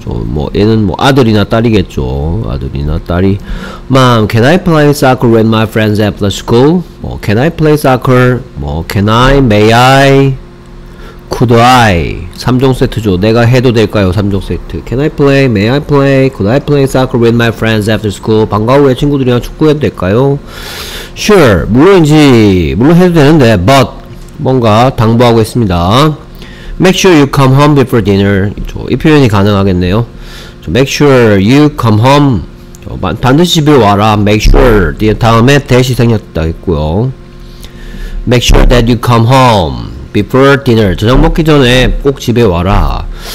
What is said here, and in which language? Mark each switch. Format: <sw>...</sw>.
<ko>뭐 얘는 뭐 아들이나 딸이겠죠. 아들이나 딸이</ko> <en>Mom, can I play soccer with my friends at the school? 뭐 can I play soccer? 뭐 can I? May I? Could I?</en> <ko>3종 세트죠. 내가 해도 될까요? 3종 세트.</ko> <en>Can I play? May I play? Could I play soccer with my friends after school?</en> <ko>방과 후에 친구들이랑 축구해도 될까요?</ko> <en>Sure.</en> <ko>물론 해도 되는데 but 뭔가 당부하고 있습니다.</ko> <en>Make sure you come home before dinner.</en> <ko>이 표현이 가능하겠네요.</ko> <en>Make sure you come home.</en> <ko>반드시 집에 와라.</ko> <en>Make sure.</en> <ko>뒤에 다음에 대시 생략했고요.</ko> <en>Make sure that you come home before dinner.</en> <ko>저녁 먹기 전에 꼭 집에 와라.</ko>